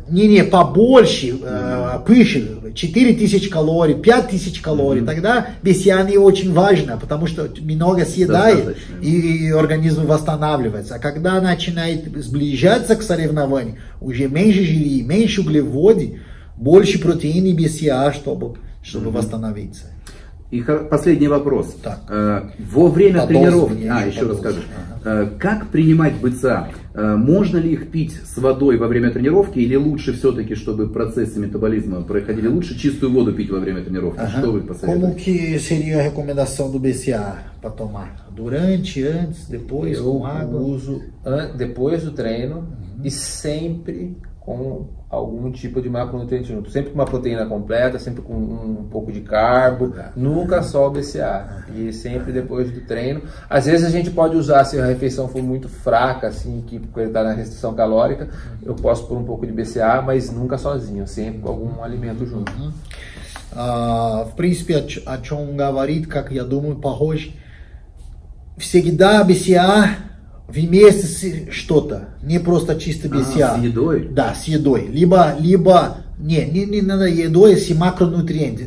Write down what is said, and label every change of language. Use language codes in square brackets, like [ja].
[ru] Не, побольше, пыши, 4000 калорий, 5000 калорий, тогда BCA не очень важно, потому что много съедает, и организм восстанавливается. А когда начинает сближаться к соревнованию, уже меньше жиры, меньше углеводы, больше протеина и BCA, чтобы восстановиться. И последний вопрос. Так. Во время тренировки, еще расскажешь. Ага. Как принимать БЦА? Можно ли их пить с водой во время тренировки или лучше все-таки, чтобы процессы метаболизма проходили лучше, чистую воду пить во время тренировки? Ага. Что вы посоветуете? [pt] Como que seria a recomendação do BCA para tomar? Durante, antes, depois, com água? Eu uso depois do treino e sempre com algum tipo de macronutriente junto, sempre com uma proteína completa, sempre com um pouco de carbo, nunca só o BCA, e sempre depois do treino. Às vezes a gente pode usar, se a refeição for muito fraca, assim, que está na restrição calórica, eu posso pôr um pouco de BCA, mas nunca sozinho, sempre com algum alimento junto. [ru] В принципе, о чем говорит, как я думаю, похоже, всегда BCA вместе что-то, не просто чисто BCA. С едой? Да, с едой. Либо не надо едой, если макронутриент.